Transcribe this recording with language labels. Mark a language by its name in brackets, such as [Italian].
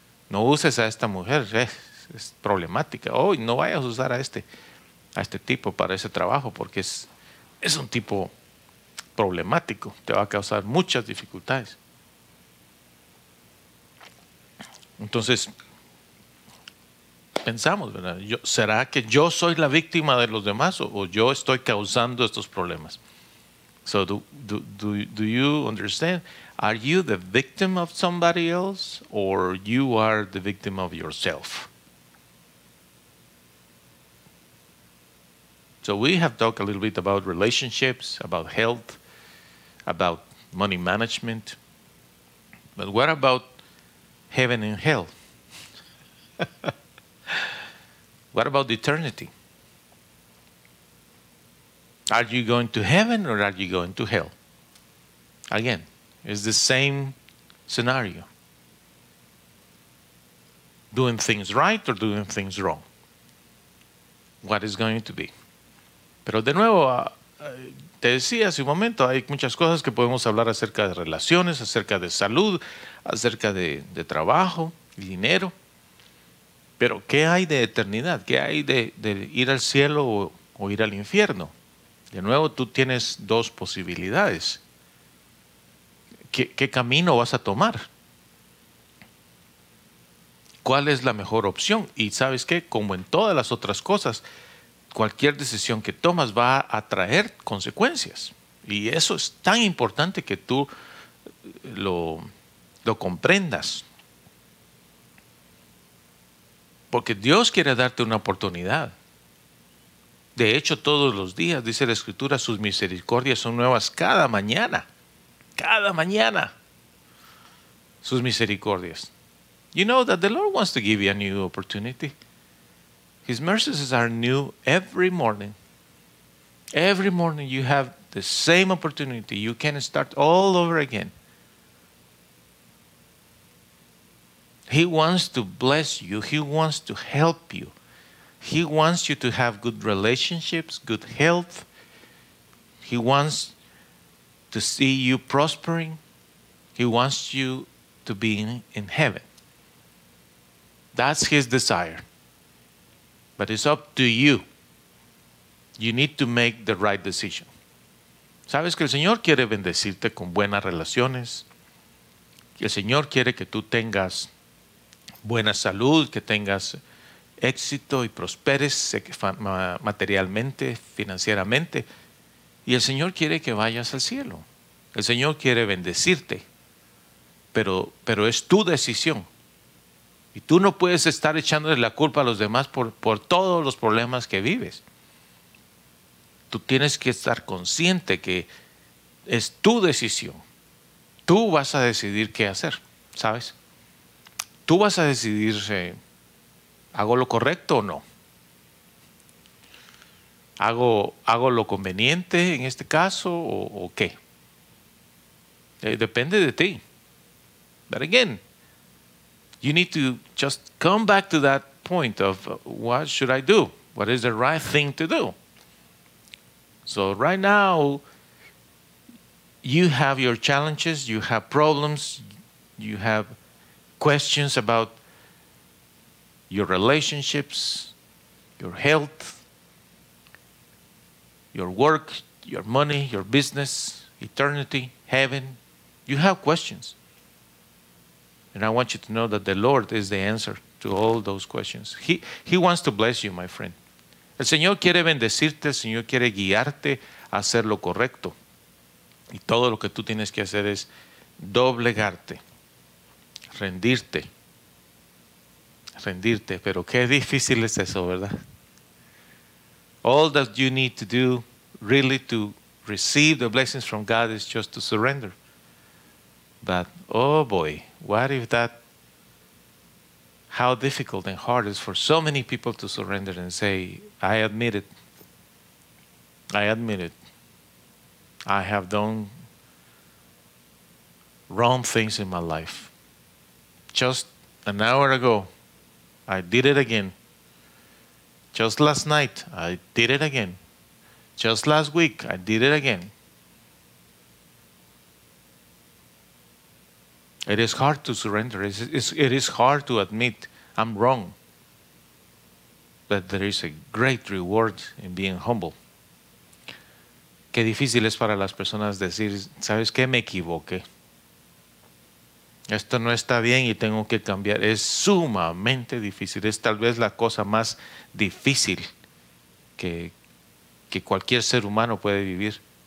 [Spanish] No uses a esta mujer, es problemática. Oh, no vayas a usar a este tipo para ese trabajo porque es un tipo problemático. Te va a causar muchas dificultades. Entonces, pensamos, ¿verdad? ¿Será que yo soy la víctima de los demás o yo estoy causando estos problemas? [English] So do you understand? Are you the victim of somebody else or you are the victim of yourself? So we have talked a little bit about relationships, about health, about money management. But what about heaven and hell? What about eternity? Are you going to heaven or are you going to hell? Again, it's the same scenario. Doing things right or doing things wrong? What is going to be? [Spanish] Pero de nuevo, te decía hace un momento, hay muchas cosas que podemos hablar acerca de relaciones, acerca de salud, acerca de trabajo, dinero. Pero ¿qué hay de eternidad? ¿Qué hay de ir al cielo o ir al infierno? De nuevo, tú tienes dos posibilidades. ¿Qué camino vas a tomar? ¿Cuál es la mejor opción? Y ¿sabes qué? Como en todas las otras cosas, cualquier decisión que tomas va a traer consecuencias. Y eso es tan importante que tú lo comprendas. Porque Dios quiere darte una oportunidad. De hecho, todos los días, dice la Escritura, sus misericordias son nuevas cada mañana. Cada mañana. Sus misericordias. [English] You know that the Lord wants to give you a new opportunity. His mercies are new every morning. Every morning you have the same opportunity. You can start all over again. He wants to bless you. He wants to help you. He wants you to have good relationships, good health. He wants to see you prospering. He wants you to be in heaven. That's His desire. But it's up to you. You need to make the right decision. [Spanish] ¿Sabes que el Señor quiere bendecirte con buenas relaciones? El Señor quiere que tú tengas buena salud, que tengas éxito y prosperes materialmente, financieramente. Y el Señor quiere que vayas al cielo. El Señor quiere bendecirte. Pero es tu decisión. Y tú no puedes estar echándole la culpa a los demás por todos los problemas que vives. Tú tienes que estar consciente que es tu decisión. Tú vas a decidir qué hacer, ¿sabes? Tú vas a decidir, ¿hago lo correcto o no? ¿Hago lo conveniente en este caso o qué? Depende de ti. [English] But again, you need to just come back to that point of what should I do? What is the right thing to do? So right now, you have your challenges, you have problems, you have questions about your relationships, your health, your work, your money, your business, eternity, heaven. You have questions. And I want you to know that the Lord is the answer to all those questions. He wants to bless you, my friend. [Spanish] El Señor quiere bendecirte, el Señor quiere guiarte a hacer lo correcto. Y todo lo que tú tienes que hacer es doblegarte, rendirte. Pero qué difícil es eso, ¿verdad? [English] All that you need to do really to receive the blessings from God is just to surrender. But, oh boy, what if that, how difficult and hard it is for so many people to surrender and say, I admit it. I have done wrong things in my life. Just an hour ago, I did it again. Just last night, I did it again. Just last week, I did it again. It is hard to surrender. It is hard to admit I'm wrong. But there is a great reward in being humble. [Spanish] Qué difícil es para las personas decir, ¿sabes qué? Me equivoqué. Esto no está bien y tengo que cambiar. Es sumamente difícil. Es tal vez la cosa más difícil que cualquier ser humano puede vivir.